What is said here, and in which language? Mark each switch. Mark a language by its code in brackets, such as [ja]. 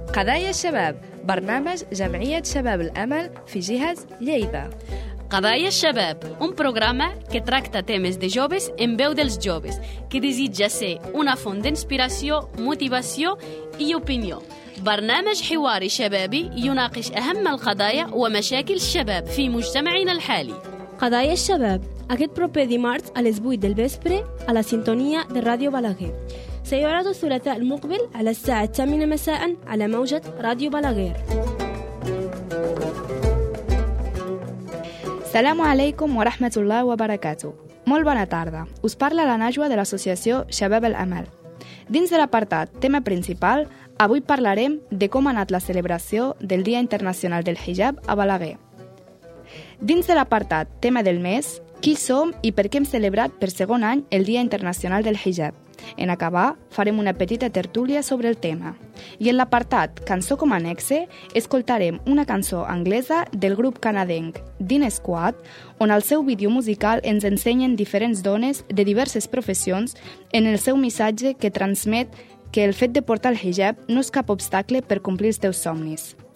[ar] Kadai e Shebab, برنامج جمعية شباب الأمل في جهاز Lleida. [ca] Kadai e Shebab, un programa que tracta temes de joves en veu dels joves, que desitja ser una font d'inspiració, motivació i opinió. [ar] برنامج حواري شبابي يناقش أهم القضايا ومشاكل الشباب في مجتمعنا الحالي. [ca] قضايا الشباب aquest proper dimarts a les 8 del vespre a la sintonia de Radio Balaguer. [ar] سيعرض الثلاثاء المقبل على الساعة 8 مساء على موجة راديو بلاغير. السلام عليكم ورحمة الله وبركاته. [ca] Molt bona tarda. Us parla la Najwa de l'associació Shabab al-Amal. Dins de l'apartat tema principal, avui parlarem de com ha anat la celebració del Dia Internacional del Hijab a Balaguer. Dins de l'apartat tema del mes, qui som i per què hem celebrat per segon any el Dia Internacional del Hijab. En acabar, farem una petita tertúlia sobre el tema. I en l'apartat cançó com a nexe, escoltarem una cançó anglesa del grup canadenc Dean Squad, on el seu vídeo musical ens ensenyen diferents dones de diverses professions en el seu missatge que transmet que el fet de portar el hijab no és cap obstacle per complir els teus somnis.